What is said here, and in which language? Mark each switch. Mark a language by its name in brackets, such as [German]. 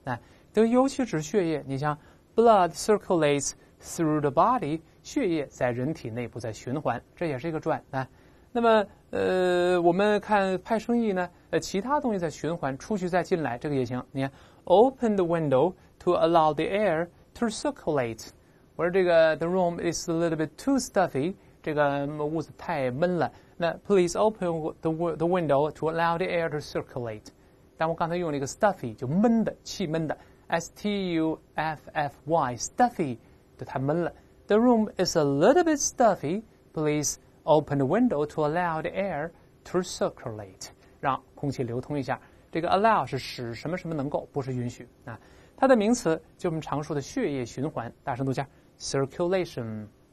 [Chinese] 那都尤其指血液，你像 [English] blood circulates through the body， [Chinese] 血液在人体内部在循环，这也是一个转。那那么我们看派生意呢，其他东西在循环，出去再进来，这个也行。你看 [English] ，open the window to allow the air to circulate。 [Chinese] 我说这个 [English] the room is a little bit too stuffy。 [Chinese] 这个屋子太闷了，那 [English] please open the window to allow the air to circulate。 [Chinese] 但我刚才用了一个 stuffy， 就闷的，气闷的 stuffy， stuffy 就太闷了。 [English] The room is a little bit stuffy， please open the window to allow the air to circulate， [Chinese] 让空气流通一下。这个 allow 是使什么什么能够，不是允许啊。它的名词就是我们常说的血液循环，大声读一下 circulation。